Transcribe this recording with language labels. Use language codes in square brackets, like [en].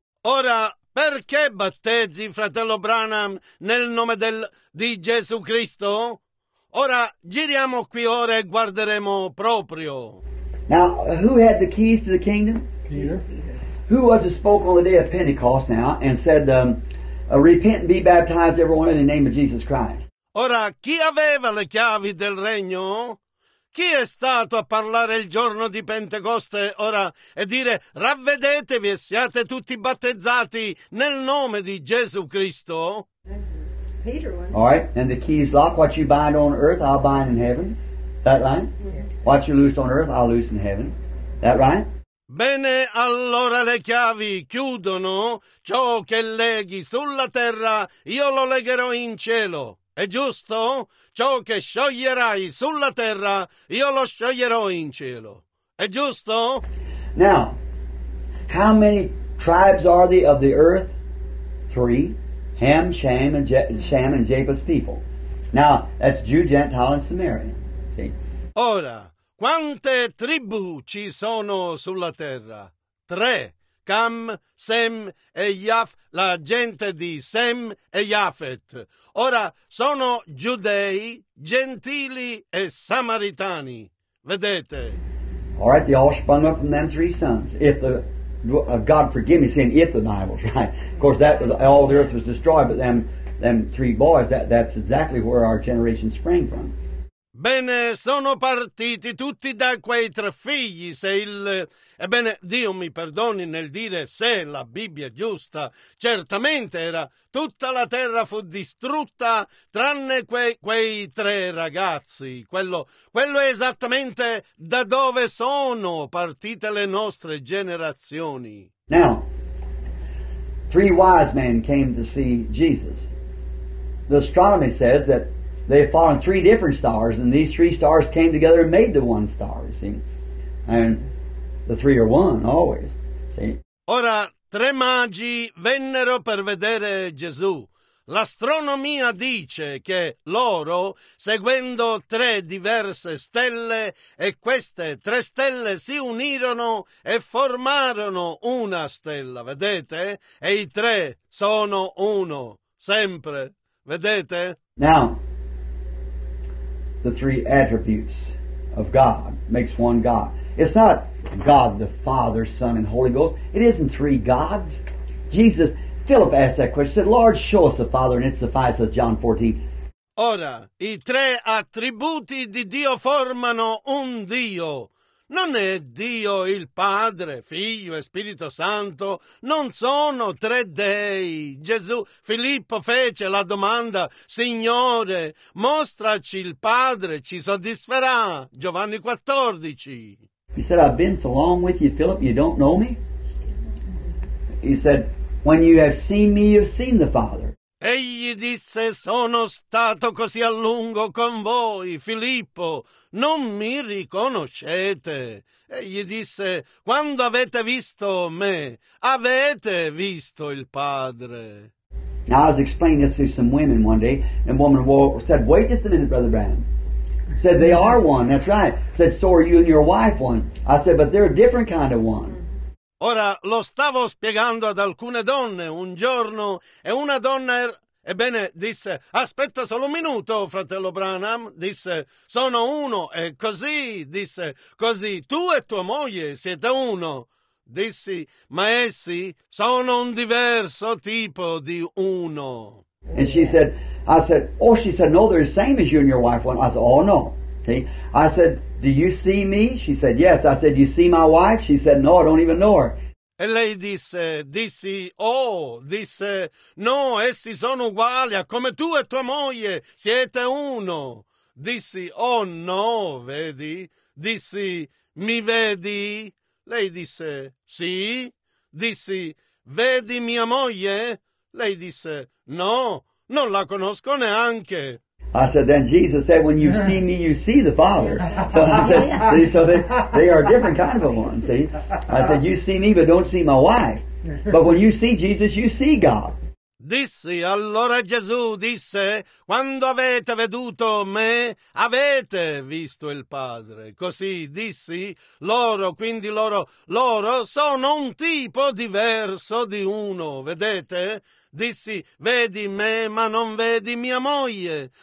[it] Ora, perché battezzi, fratello Branham, nel nome di Gesù Cristo? Ora, giriamo qui ora e guarderemo proprio. [en] Now, who had the keys to the kingdom? Peter. Who was it spoke on the day of Pentecost now and said, repent and be baptized, everyone, in the name of Jesus Christ? [it] Ora, chi aveva le chiavi del regno? Chi è stato a parlare il giorno di Pentecoste ora e dire ravvedetevi e siate tutti battezzati nel nome di Gesù Cristo? [en] Peter. All right, and the key is locked. What you bind on earth, I'll bind in heaven. That line? Yes. What you loose on earth, I'll loose in heaven. That right? [it] Bene, allora le chiavi chiudono. Ciò che leghi sulla terra, io lo legherò in cielo. È giusto? Ciò che scioglierai sulla terra, io lo scioglierò in cielo. È giusto? [en] Now, how many tribes are there of the earth? Three. Ham, Shem, and Japheth's people. Now, that's Jew, Gentile, and Samaria. See? [it] Ora, quante tribù ci sono sulla terra? Tre. Cam, Sem e Yaf, la gente di Sem e Yafet. Ora sono giudei, gentili e samaritani. Vedete? [en] All right, they all sprung up from them three sons. If the God forgive me, saying if the Bible's right. Of course, that was all the earth was destroyed, but them three boys. That's exactly where our generation sprang from. [it] Bene, sono partiti tutti da quei tre figli, se il... Ebbene, Dio mi perdoni nel dire se la Bibbia è giusta. Certamente era tutta la terra fu distrutta, tranne quei tre ragazzi. Quello è esattamente da dove sono partite le nostre generazioni. [en] Now, three wise men came to see Jesus. The astronomy says that they had fallen three different stars, and these three stars came together and made the one star, you see. And the three are one, always, see. [it] Ora, tre magi vennero per vedere Gesù. L'astronomia dice che loro, seguendo tre diverse stelle, e queste tre stelle si unirono e formarono una stella, vedete? E i tre sono uno, sempre, vedete? [en] Now, the three attributes of God makes one God. It's not God the Father, Son, and Holy Ghost. It isn't three gods. Jesus... Philip asked that question, said, Lord, show us the Father, and it suffices, John 14. [it] Ora, i tre attributi di Dio formano un Dio. Non è Dio il Padre, Figlio e Spirito Santo. Non sono tre dei. Gesù, Filippo fece la domanda, Signore, mostraci il Padre, ci soddisferà. Giovanni 14. [en] He said, I've been so long with you, Philip, you don't know me? He said, when you have seen me, you have seen the Father. [it] Egli disse, sono stato così a lungo con voi, Filippo, non mi riconoscete. Egli disse, quando avete visto me, avete visto il Padre. [en] Now, I was explaining this to some women one day, and a woman said, wait just a minute, Brother Branham. Said, they are one, that's right. Said, so are you and your wife one. I said, but they're a different kind of one. [it] Ora, lo stavo spiegando ad alcune donne un giorno, e una donna, ebbene, disse, aspetta solo un minuto, fratello Branham, disse, sono uno, e così, disse, così, tu e tua moglie siete uno. Dissi, ma essi sono un diverso tipo di uno. [en] And she said, I said, oh, she said, no, they're the same as you and your wife one. I said, oh, no. See? I said, do you see me? She said, yes. I said, you see my wife? She said, no, I don't even know her. [it] E lei disse, dissi, oh, disse, no, essi sono uguali a come tu e tua moglie, siete uno. Dissi, oh, no, vedi? Dissi, mi vedi? Lei disse, sì. Dissi, vedi mia moglie? Lei disse, no, non la conosco neanche. [en] I said, then Jesus said, when you see me, you see the Father. So I said, they are different kinds of ones, see? I said, you see me, but don't see my wife. But when you see Jesus, you see God. [it] Dissi, allora Gesù disse, quando avete veduto me, avete visto il Padre. Così dissi, loro, quindi loro sono un tipo diverso di uno, vedete? Dissi, vedi me, ma non vedi mia moglie.